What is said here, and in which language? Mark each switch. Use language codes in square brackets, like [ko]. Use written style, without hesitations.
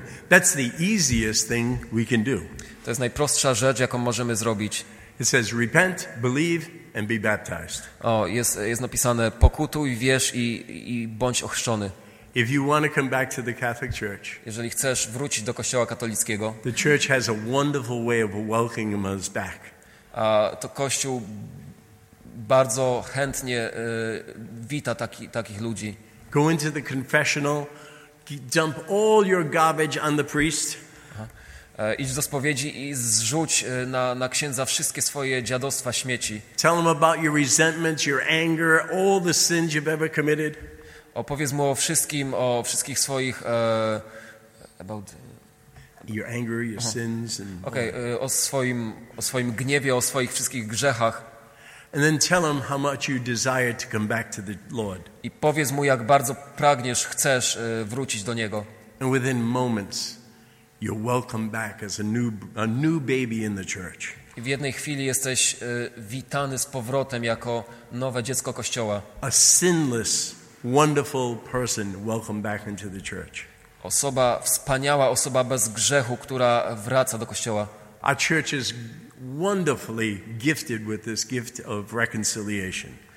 [en] That's the easiest thing we can do. [pl] To jest najprostsza rzecz, jaką możemy zrobić. [en] It says repent, believe and be baptized. [pl] O, jest napisane pokutuj, wierz i bądź ochrzczony. [en] If you want to come back to the Catholic Church. [pl] Jeżeli chcesz wrócić do Kościoła katolickiego. [en] The church has a wonderful way of welcoming us back. [pl] A to Kościół bardzo chętnie wita takich ludzi. [en] Go into the confessional. Dump all your garbage on the priest. [pl] Idź do spowiedzi i zrzuć na księdza wszystkie swoje dziadostwa, śmieci. [en] Tell him about your resentments, your anger, all the sins you've ever committed. [pl] Opowiedz mu o wszystkich swoich about [en] your anger, your sins and [pl] okay, o swoim gniewie, o swoich wszystkich grzechach. [en] And then tell him how much you desire to come back to the Lord. [pl] I powiedz mu, jak bardzo pragniesz, chcesz wrócić do Niego. [en] And within moments, you're welcome back as a new baby in the church. [pl] I w jednej chwili jesteś witany z powrotem jako nowe dziecko Kościoła. [en] A sinless, wonderful person, welcome back into the church. [pl] Osoba wspaniała, osoba bez grzechu, która wraca do Kościoła. [en] Our church is wonderfully gifted with this gift of reconciliation.